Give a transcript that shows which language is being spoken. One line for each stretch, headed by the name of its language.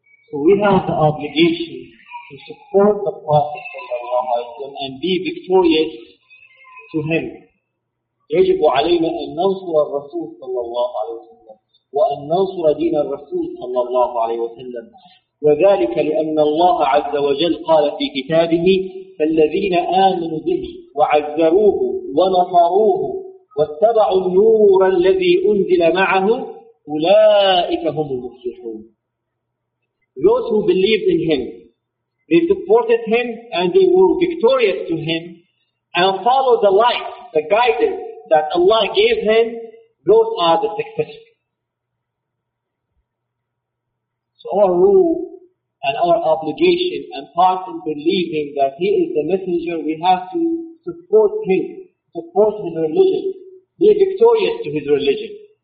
English: So we have the obligation to support the Prophet and be victorious to him.
Arabic: يجب علينا أن ننصر الرسول صلى الله عليه وسلم وأن ننصر دين الرسول صلى الله عليه وسلم وذلك لأن الله عز وجل قال في كتابه فالذين آمنوا به وعزروه ونصروه واتبعوا النور الذي أنزل معه أولئك هم المفلحون.
English: Those who believed in him, they supported him and they were victorious to him and followed the light, the guidance that Allah gave him, those are the successful. So our rule and our obligation and part in believing that he is the messenger, we have to support him, support his religion, be victorious to his religion.